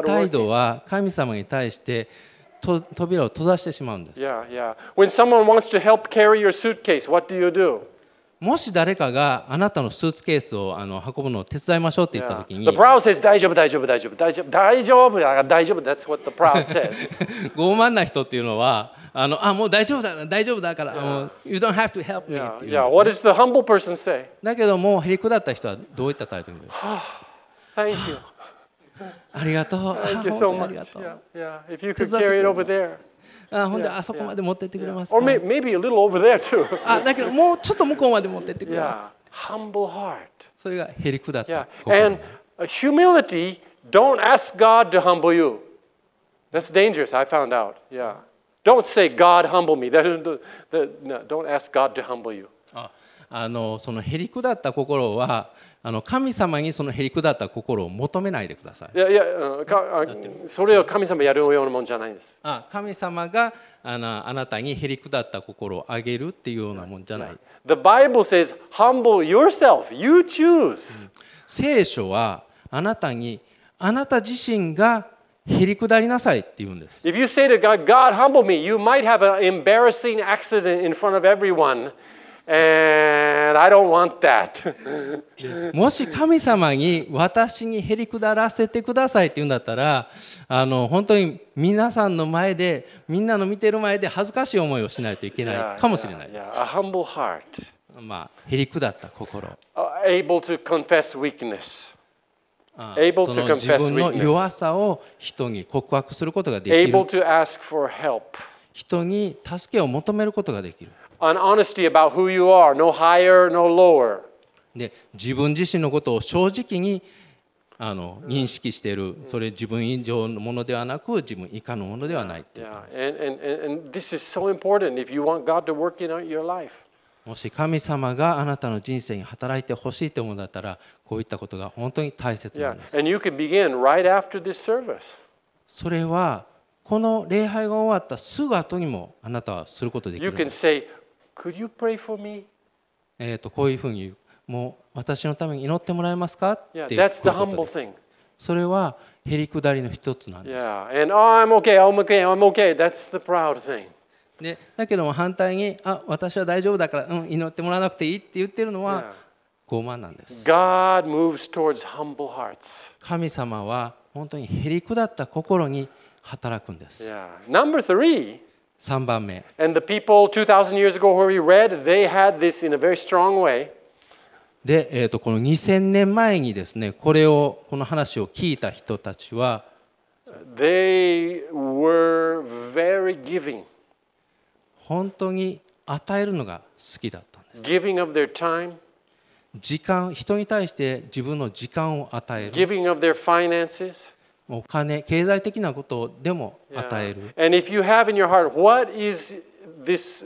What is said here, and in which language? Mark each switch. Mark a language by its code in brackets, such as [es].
[ja] 態度は神様に対して扉を閉ざしてしまうんです。 [en] When someone wants to help carry your suitcase, what do you do? [ja] もし誰かがあなたのスーツケースを運ぶのを手伝いましょうって言ったときに、 [en] The proud says [ja] 大丈夫大丈夫大丈夫大丈夫大丈夫大丈夫 [en] That's what the proud says。 [ja] 傲慢な人っていうのは、もう大丈夫だ大丈夫だから、 [en] You don't have to help me。 Yeah, what does the humble person say? [ja] だけどもうへりくだった人はどういった態度になる？ [en] Thank you。 [ja] ありがとう。 [en] Thank you so much。 Yeah, if you could carry it over there。 [ja] ほんであそこまで持ってってくれます [en] か、yeah, yeah. Or maybe a little over there too. [ja] だけどもうちょっと向こうまで持ってってくれます。 [en] Yeah. Humble heart. [ja] それがへりくだった。 [en] Yeah. And humility, don't ask God to humble you. That's dangerous, I found out. Yeah. Don't say, God, humble me. Don't ask God to humble you. [ja] そのへりくだった心は、神様にそのへりくだった心を求めないでください。いやいや、それを神様やるようなもんじゃないんです。神様があなたにへりくだった心をあげるっていうようなもんじゃない。 [en] Yeah. The Bible says, humble yourself. You choose. [ja] 聖書はあなたにあなた自身がへりくだりなさいって言うんです。 [en] If you say to God, God, humble me, you might have an embarrassing accident in front of everyone. And I don't want that. [ja] もし神様に私にへりくだらせてくださいって言うんだったら、本当に皆さんの前で、みんなの見てる前で恥ずかしい思いをしないといけないかもしれない。 [en] Yeah, yeah, yeah. A humble heart. [ja] まあ、へりくだった心。 [en] Able to confess weakness. Able to confess weakness. [ja] その自分の弱さを人に告白することができる。 [en] Able to ask for help. [ja] 人に助けを求めることができる。 [en] An honesty about who you are, no higher, no lower. [ja] で、自分自身のことを正直に認識している。それ自分以上のものではなく、自分以下のものではないっていう。 [en] Yeah. And this is so important if you want God to work in your life. [ja] もし神様があなたの人生に働いてほしいと思うんだったら、こういったことが本当に大切なんです。 [en] Yeah. And you can begin right after this service. [ja] それはこの礼拝が終わったすぐ後にもあなたはすることができる。 [en] You can say, "Could you pray for me?" [ja] こういうふうに言う、もう私のために祈ってもらえますか？ [en] Yeah, that's the humble thing. [ja] それはへりくだりの一つなんです。 [en] Yeah, and oh, I'm okay, I'm okay, I'm okay. That's the proud thing. [ja] で、だけども反対に、私は大丈夫だから、祈ってもらわなくていいって言ってるのは傲慢なんです。 [en] God moves towards humble hearts. [ja] 神様は本当にへりくだった心に働くんです。 [en] Yeah. Number three, [ja] 3番目。 [en] And the people 2,000 years ago where we read, they had this in a very strong way. [ja] で、この2000年前にですね、これをこの話を聞いた人たちは、 [en] they were very giving. [ja] 本当に与えるのが好きだったんです。 [en] Giving of their time. [ja] 時間、人に対して自分の時間を与える。 [en] Giving of their finances. [ja] お金、経済的なことでも与える。 [en] Yeah. And if you have in your heart, what is this?